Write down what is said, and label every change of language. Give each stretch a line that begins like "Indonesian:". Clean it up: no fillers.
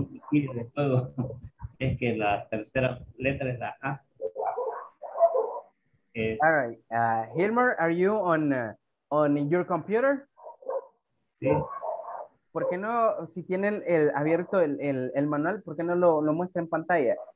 Spanish: Y de todo, es que la tercera letra es la A. Es...
English: All right, Hilmer, are you on your computer?
Spanish: Sí. ¿Por qué no, si tienen abierto el manual, por qué no lo muestra en pantalla?